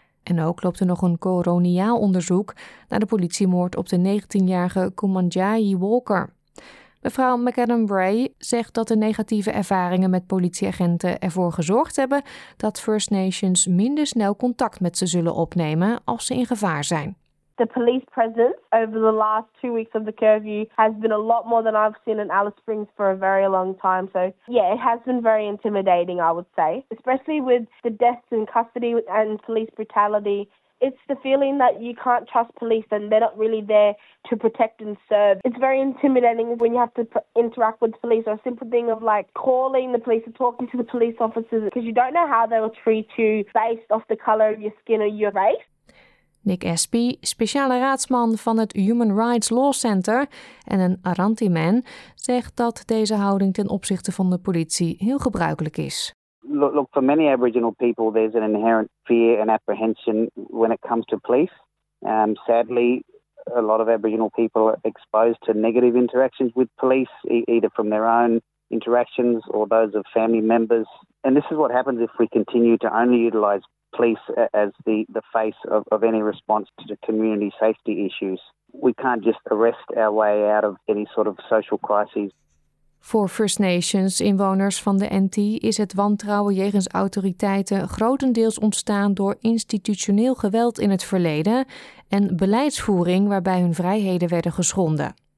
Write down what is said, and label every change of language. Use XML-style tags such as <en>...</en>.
<nl>En ook loopt er nog een koloniaal onderzoek naar de politiemoord op de 19-jarige Kumanjayi Walker. Mevrouw McAdam-Ray zegt dat de negatieve ervaringen met politieagenten ervoor gezorgd hebben dat First Nations minder snel contact met ze zullen opnemen als ze in gevaar zijn.</nl> <en>The police presence over the last 2 weeks of the curfew has been a lot more than I've seen in Alice Springs for a very long time. So yeah, it has been very intimidating, I would say. Especially with the deaths in custody and police brutality. It's the feeling that you can't trust police and they're not really there to protect and serve. It's very intimidating when you have to interact with police, or a simple thing of like calling the police or talking to the police officers, because you don't know how they will treat you based off the color of your skin or your race.</en> <nl>Nick Espy, speciale raadsman van het Human Rights Law Center en een Aranti man, zegt dat deze houding ten opzichte van de politie heel gebruikelijk is.</nl> <en>Look, for many Aboriginal people, there's an inherent fear and apprehension when it comes to police. Sadly, a lot of Aboriginal people are exposed to negative interactions with police, either from their own interactions or those of family members. And this is what happens if we continue to only utilize police as the face of any response to the community safety issues. We can't just arrest our way out of any sort of social crises.</en> <nl>Voor First Nations inwoners van de NT is het wantrouwen jegens autoriteiten grotendeels ontstaan door institutioneel geweld in het verleden en beleidsvoering waarbij hun vrijheden werden geschonden.</nl>